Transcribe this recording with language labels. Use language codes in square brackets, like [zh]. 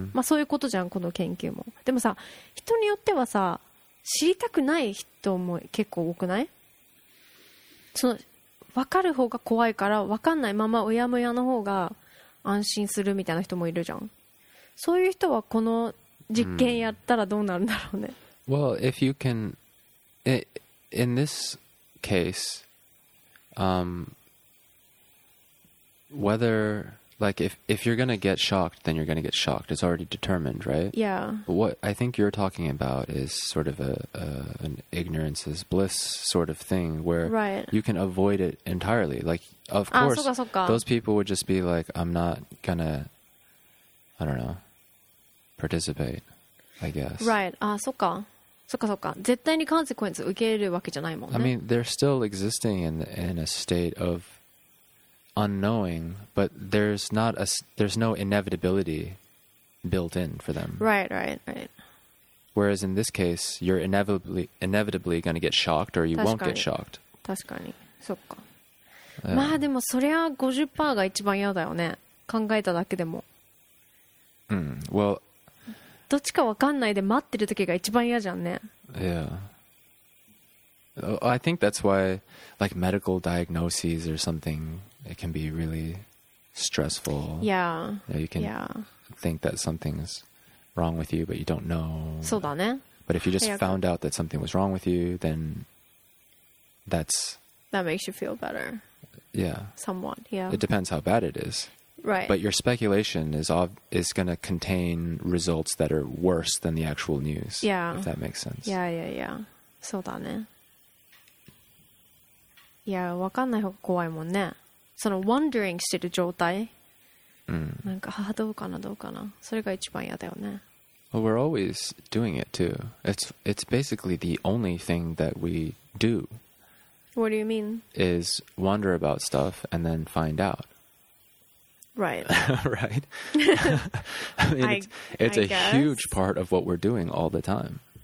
[ja] まあそういうことじゃん、この研究も。でもさ、人によってはさ、知りたくない人も結構多くない？その分かる方が怖いから、分かんないままうやむやの方が安心するみたいな人もいるじゃん。そういう人はこの実験やったらどうなるんだろうね。 [en] Well, if you can, in this case, whether like if you're gonna get shocked, then you're gonna get shocked. It's already determined, right? Yeah. But what I think you're talking about is sort of an ignorance is bliss sort of thing, where you can avoid it entirely. Like, of course, those people would just be like, I'm not gonna, I don't know, participate, I guess. Right. [ja] Ah, so か.そっかそっか。絶対にコンセクエンス受け入れるわけじゃないもんね。 [en] I mean, they're still existing in a state of unknowing, but there's no inevitability built in for them. Right, right, right. Whereas in this case, you're inevitably going to get shocked or you won't get shocked. [ja] 確かに。そっか。まあでもそれは 50% が一番嫌だよね。考えただけでも。 [en] Mm, well, [ja] どっちかわかんないで待ってる時が一番嫌じゃんね。 [en] Yeah. I think that's why like medical diagnoses or something, it can be really stressful. Yeah. You can think that something's wrong with you, but you don't know. [ja] そうだね。 [en] But if you just found out that something was wrong with you, then that makes you feel better. Yeah. Somewhat, yeah. It depends how bad it is. Right. But your speculation is going to contain results that are worse than the actual news. Yeah. If that makes sense. Yeah, yeah, yeah. [ja] そうだね。いや、わかんない方が怖いもんね。その wondering してる状態。なんか、ああ、どうかな、どうかな。それが一番嫌だよね。 [en] Well, we're always doing it too. It's basically the only thing that we do. What do you mean? Is wonder about stuff and then find out. Right. right. I mean, it's a huge part of what we're doing all the time.